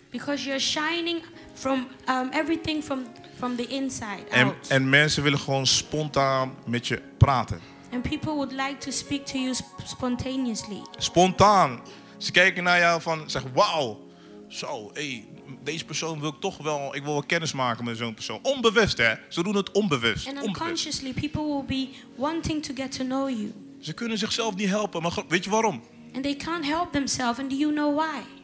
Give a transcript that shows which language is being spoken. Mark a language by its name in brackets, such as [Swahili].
[English] Because you're shining from everything from the inside out. [Dutch] En mensen willen gewoon spontaan met je praten. [English] And people would like to speak to you spontaneously. [Dutch] Spontaan. Ze kijken naar jou van, zeg, wauw. Zo, hey, deze persoon wil ik toch wel, ik wil wel kennis maken met zo'n persoon. Onbewust, hè. Ze doen het onbewust. [English] And unconsciously, people will be wanting to get to know you. [Dutch] Ze kunnen zichzelf niet helpen, maar weet je waarom? [English] And they can't help themselves, and do you know why?